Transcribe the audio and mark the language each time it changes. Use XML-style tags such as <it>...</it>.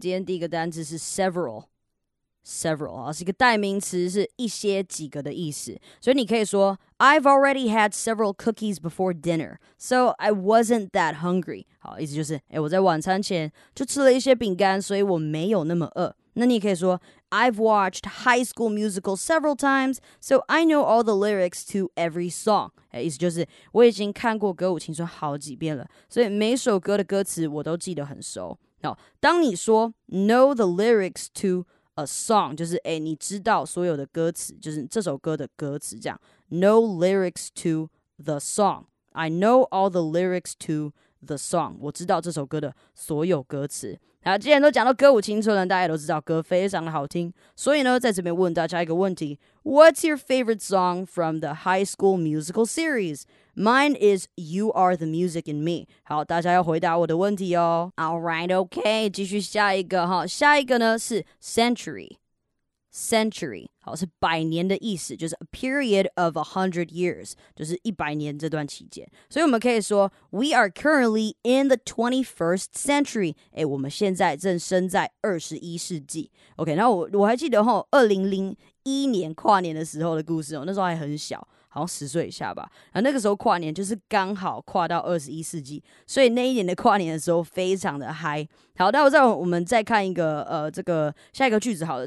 <zh>今天第一个单字是 several 啊，是一个代名词，是一些几个的意思。</zh> <en>所以你可以说 I've already had several cookies before dinner, so I wasn't that hungry.</en> <zh>好，意思就是我在晚餐前就吃了一些饼干，所以我没有那么饿。</zh> <en>那你可以说 I've watched High School Musical several times, so I know all the lyrics to every song.</en> <zh>意思就是我已经看过歌舞青春好几遍了，所以每首歌的歌词我都记得很熟。好，当你说 know the lyrics toA song 就是你知道所有的歌词，就是这首歌的歌词这样。</zh> <en>No lyrics to the song. I know all the lyrics to the song.</en> <zh>我知道这首歌的所有歌词。好，既然都讲到歌舞青春了，大家都知道歌非常的好听。</zh> <en>所以呢，在这边问大家一个问题 ：What's your favorite song from the High School Musical series? Mine is "You Are the Music in Me."</en> <zh>好，大家要回答我的问题哦。 All right, okay，继续下一个哈。下一个呢是 century。 Century 好是百年的意思，就是 a period of 100 years，就是一百年这段期间。</zh> <en>所以我们可以说 We are currently in the 21st century。</en> <zh>我们现在正身在21世纪。 OK， 然后我还记得哈，2001年跨年的时候的故事哦，那时候还很小，好像10岁以下吧。然后那个时候跨年就是刚好跨到21世纪，所以那一年的跨年的时候非常的嗨。好，那我们再看一个这个下一个句子好了。</zh>